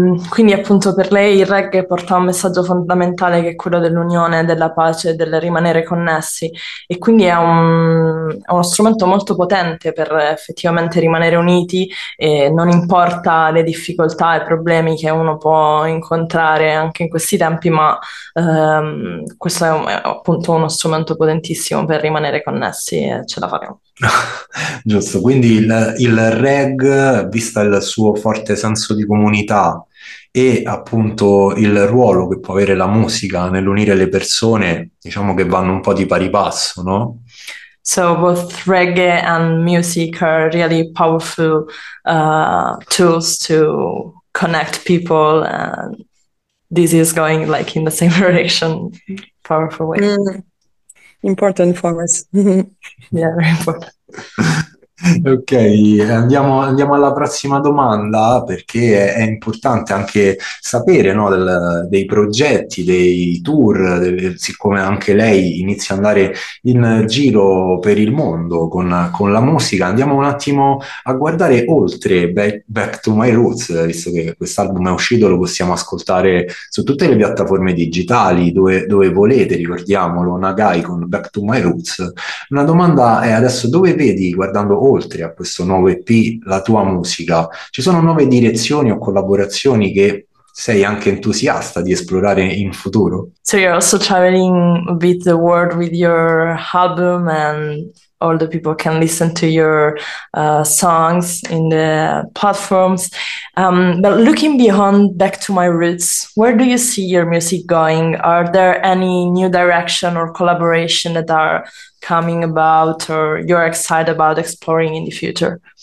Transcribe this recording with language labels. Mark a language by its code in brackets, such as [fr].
[it] Quindi appunto per lei il reggae porta un messaggio fondamentale che è quello dell'unione, della pace, del rimanere connessi e quindi è uno strumento molto potente per effettivamente rimanere uniti e non importa le difficoltà e problemi che uno può incontrare anche in questi tempi, ma questo è appunto uno strumento potentissimo per rimanere connessi e ce la faremo. Giusto, quindi il reg, visto il suo forte senso di comunità e appunto il ruolo che può avere la musica nell'unire le persone, diciamo che vanno un po' di pari passo, no? [en] So both reggae and music are really powerful tools to connect people, and this is going like in the same direction, powerful way. Important for us. Yeah, very important. [it] Ok, andiamo alla prossima domanda perché è importante anche sapere, no, dei progetti, dei tour, siccome anche lei inizia ad andare in giro per il mondo con la musica. Andiamo un attimo a guardare oltre Back to My Roots, visto che quest'album è uscito, lo possiamo ascoltare su tutte le piattaforme digitali, dove volete, ricordiamolo, Nagai con Back to My Roots. Una domanda è adesso dove vedi, guardando oltre a questo nuovo EP, la tua musica. Ci sono nuove direzioni o collaborazioni che sei anche entusiasta di esplorare in futuro? [en] So you're also traveling a bit the world with your album, and all the people can listen to your songs in the platforms. But looking beyond Back to My Roots, where do you see your music going? Are there any new direction or collaboration that are coming about or you're excited about exploring in the future?